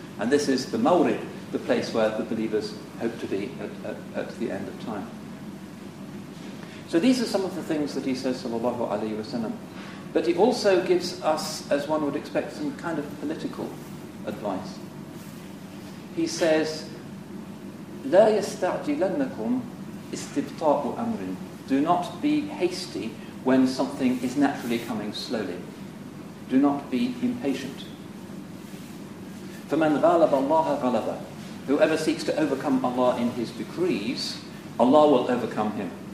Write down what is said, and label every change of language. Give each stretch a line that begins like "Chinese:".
English: And this is the mawrid, the place where the believers hope to be at the end of time. So these are some of the things that he says, sallallahu alayhi wa sallam. But he also gives us, as one would expect, some kind of political advice.
Arabic: He says, لَا يَسْتَعْجِلَنَّكُمْ إِسْتِبْطَاءُ أَمْرٍ.
English: Do not be hasty when something is naturally coming slowly. Do not be impatient.
Arabic: فَمَنْ غَالَبَ اللَّهَ غَالَبَ.
English: Whoever seeks to overcome Allah in his decrees, Allah will overcome him.